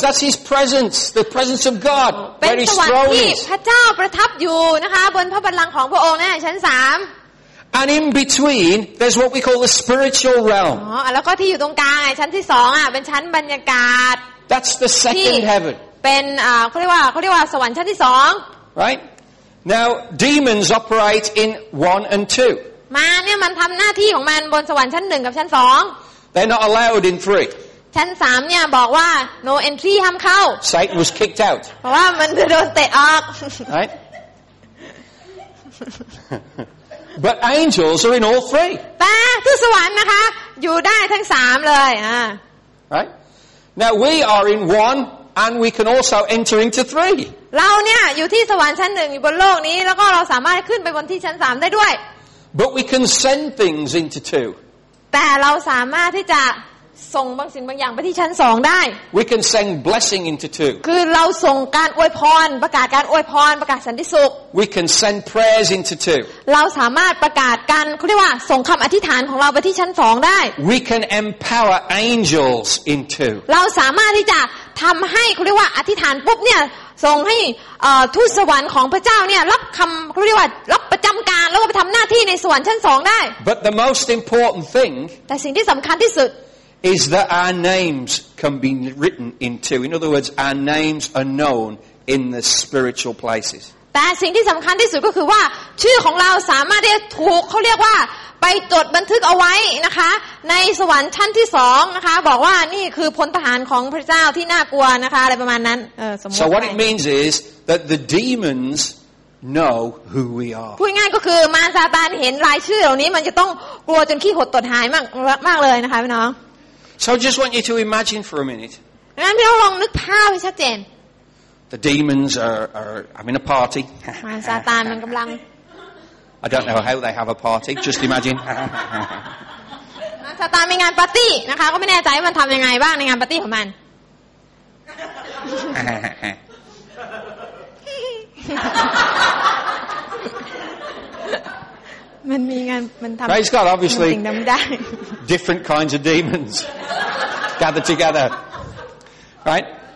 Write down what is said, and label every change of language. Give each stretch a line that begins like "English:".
English: That's His presence, the presence of God, where His throne is.
Thai: พระเจ้าประทับอยู่นะคะบนพระบัลลังก์ของพระองค์นั่นแหละชั้นสาม
English: And in between, there's what we call the spiritual realm.
Thai: อ๋อแล้วก็ที่อยู่ตรงกลางไอ้ชั้นที่สองอ่ะเป็นชั้นบรรยากาศ
English: That's the second heaven.
Thai: เป็นเขาเรียกว่าสวรรค์ชั้นที่สอง
English: Right? Now demons operate in 1 and 2.
Thai: มาเนี่ยมันทำหน้าที่ของมันบนสวรรค์ชั้นหนึ่งกับชั้นสอง
English: They're not allowed in 3.
Thai: ชั้นสามเนี่ยบอกว่า
English: no entry
Thai: ห้ามเข้า
English: Satan was kicked out.
Thai: เพราะว่ามันจะโดนเตะออก
English: Right? But angels are in all three.
Thai: แต่ที่สวรรค์นะคะอยู่ได้ทั้งสามเลย
English: Right. Now we are in 1 and we can also enter into 3.
Thai: เราเนี่ยอยู่ที่สวรรค์ชั้นหนึ่งอยู่บนโลกนี้แล้วก็เราสามารถขึ้นไปบนที่ชั้นสามได้ด้วย
English: But we can send things into 2.
Thai: แต่เราสามารถที่จะส่งบางสิ่งบางอย่างไปที่ชั้นสองได้
English: We can send blessing into 2.
Thai: คือเราส่งการอวยพรประกาศการอวยพรประกาศสันติสุข
English: We can send prayers into 2.
Thai: เราสามารถประกาศการเขาเรียกว่าส่งคำอธิษฐานของเราไปที่ชั้นสองได้
English: We can empower angels into 2.
Thai: เราสามารถที่จะทำให้เขาเรียกว่าอธิษฐานปุ๊บเนี่ยส่งให้ทูตสวรรค์ของพระเจ้าเนี่ยรับคำเรียกว่ารับประจำการแล้วก็ไปทำหน้าที่ในสวรรค์ชั้นสองได้
English: But the most important thing
Thai: แต่สิ่งที่สำคัญที่สุด
English: Is that our names can be written in 2. In other words, our names are known in the spiritual places.
Thai: แต่สิ่งที่สำคัญที่สุดก็คือว่าชื่อของเราสามารถได้ถูกเขาเรียกว่าไปจดบันทึกเอาไว้นะคะในสวรรค์ชั้นที่สองนะคะบอกว่านี่คือพลทหารของพระเจ้าที่น่ากลัวนะคะอะไรประมาณนั้นสมมติ
English: So what it means is that the demons know who we are
Thai: พูดง่ายก็คือมารซาตานเห็นรายชื่อเหล่านี้มันจะต้องกลัวจนขี้หดตดหายมากมากเลยนะคะพี่น้อง
English: So just want you to imagine for a minute
Thai: งั้นพี่น้องลองนึกภาพให้ชัดเจน
English: The demons are I'm in a party
Thai: มารซาตานมันกำลัง
English: I don't know how they have a party. Just imagine.
Thai: มันซาตานมีงานปาร์ตี้นะคะก็ไม่แน่ใจว่ามันทำยังไงบ้างในงานปาร์ตี้ของมัน มันมีงานมันทำ
English: Praise God, obviously. different kinds of demons gather together, right?